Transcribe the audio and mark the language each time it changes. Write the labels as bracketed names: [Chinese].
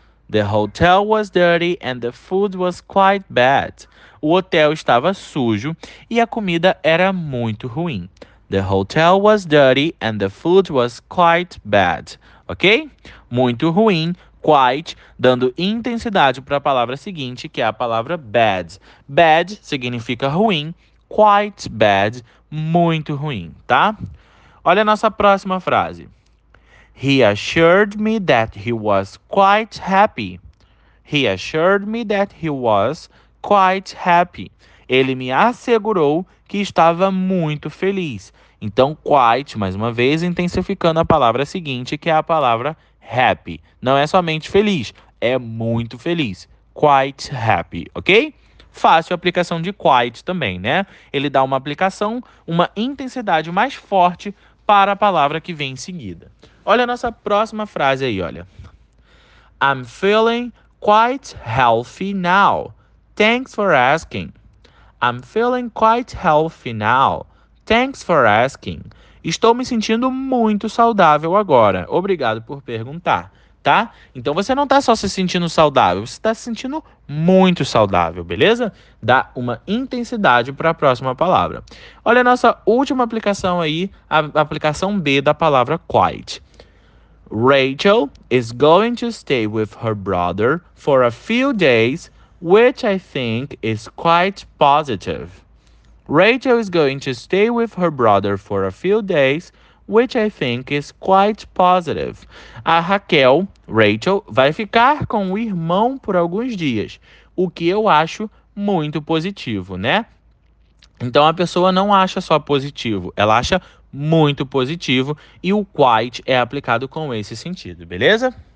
[English] The hotel was dirty and the food was quite bad. [Portuguese] O hotel estava sujo e a comida era muito ruim. [English] The hotel was dirty and the food was quite bad. Ok? [Portuguese] Muito ruim, quite, dando intensidade para a palavra seguinte, que é a palavra bad. Bad significa ruim, quite bad, muito ruim, tá? Olha a nossa próxima frase. [English] He assured me that he was quite happy. He assured me that he was quite happy. [Portuguese] Ele me assegurou que estava muito feliz. Então, quite, mais uma vez, intensificando a palavra seguinte, que é a palavra happy. Não é somente feliz, é muito feliz. Quite happy, ok? Fácil aplicação de quiet também, né? Ele dá uma aplicação, uma intensidade mais forte para a palavra que vem em seguida. Olha a nossa próxima frase aí, olha. [English] I'm feeling quite healthy now. Thanks for asking. I'm feeling quite healthy now. Thanks for asking. [Portuguese] Estou me sentindo muito saudável agora. Obrigado por perguntar, tá? Então você não está só se sentindo saudável, você está se sentindo muito saudável, beleza? Dá uma intensidade para a próxima palavra. Olha a nossa última aplicação aí, a aplicação B da palavra quite. [English] Rachel is going to stay with her brother for a few days, which I think is quite positive. Rachel is going to stay with her brother for a few days, which I think is quite positive. [Portuguese] A Raquel, Rachel, vai ficar com o irmão por alguns dias, o que eu acho muito positivo, né? Então a pessoa não acha só positivo, ela acha muito positivo e o quite é aplicado com esse sentido, beleza?